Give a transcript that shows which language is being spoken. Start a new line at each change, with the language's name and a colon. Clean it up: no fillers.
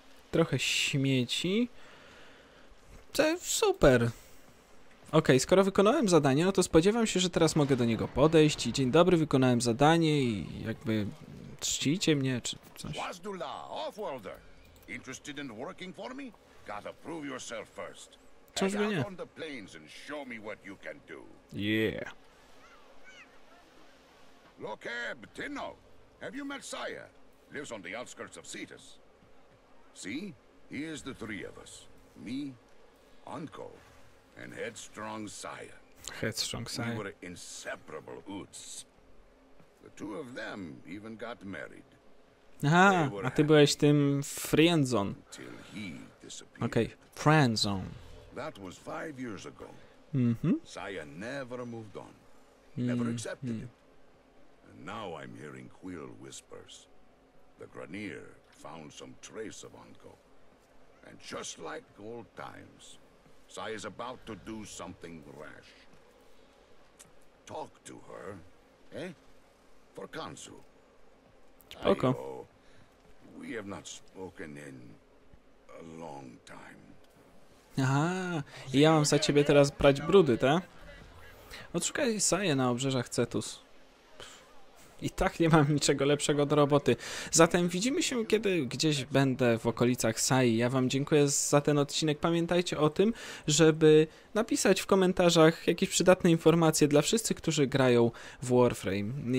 Polish: Trochę śmieci. To super. Okej, okay, skoro wykonałem zadanie, no to spodziewam się, że teraz mogę do niego podejść. Dzień dobry, wykonałem zadanie i jakby czcicie mnie, czy coś.
English: Wazdula, off-worlder. Interested in working for me? Gotta prove yourself first.
Polish: Czemu nie?
English: Out on the plains and show me what you can do. Yeah. Lokeb, Tino, have you met Saya? Lives on the outskirts of Cetus. See? Here's the three of us. Me, Anko, and Headstrong Saya. Headstrong Saya. We were inseparable Uts. The two of them even got married.
Polish: Aha, a ty byłeś tym Friendzone. Okej, okay. Friendzone.
English: That was 5 years ago. Mm-hmm. Saya never moved on. Never accepted it. And now I'm hearing Quill whispers. The Grenier found some trace of Anko. And just like old times, Sai is about to do something rash. Talk to her, eh? For Kanzu. Okay. We have not spoken in a long time.
Polish: Aha, i ja mam za ciebie teraz prać brudy, te? Odszukaj Saję na obrzeżach Cetus. I tak nie mam niczego lepszego do roboty. Zatem widzimy się, kiedy gdzieś będę w okolicach Sai. Ja wam dziękuję za ten odcinek. Pamiętajcie o tym, żeby napisać w komentarzach jakieś przydatne informacje dla wszystkich, którzy grają w Warframe.